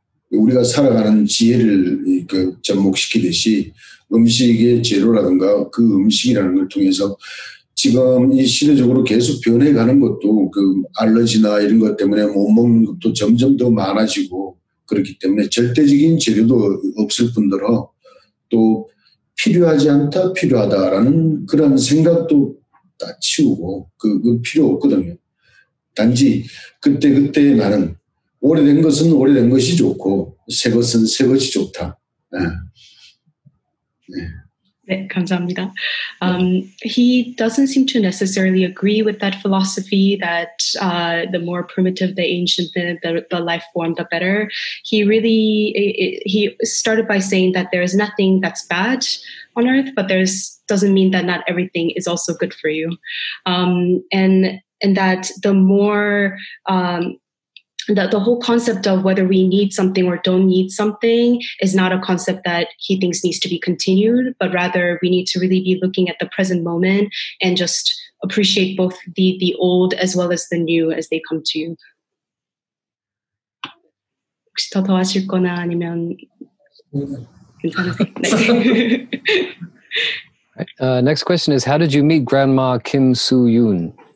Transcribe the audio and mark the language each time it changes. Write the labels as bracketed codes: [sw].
[ko] 우리가 살아가는 지혜를 접목시키듯이 음식의 재료라든가 그 음식이라는 걸 통해서 지금 이 시대적으로 계속 변해가는 것도 그 알러지나 이런 것 때문에 못 먹는 것도 점점 더 많아지고 그렇기 때문에 절대적인 재료도 없을 뿐더러 또 필요하지 않다 필요하다라는 그런 생각도 다 치우고 그 필요 없거든요. 단지 그때 나는 오래된 것은 오래된 것이 좋고 새 것은 새 것이 좋다. 네, 감사합니다. [en] He doesn't seem to necessarily agree with that philosophy that the more primitive the ancient the life form, the better. He started by saying that there is nothing that's bad on earth, but there's doesn't mean that not everything is also good for you. And that the more the whole concept of whether we need something or don't need something is not a concept that he thinks needs to be continued, but rather we need to really be looking at the present moment and just appreciate both the old as well as the new as they come to you. [ko] 혹시 더 하실 거나 아니면 괜찮으세요? [en] Next question is, how did you meet Grandma Kim Soo-yoon?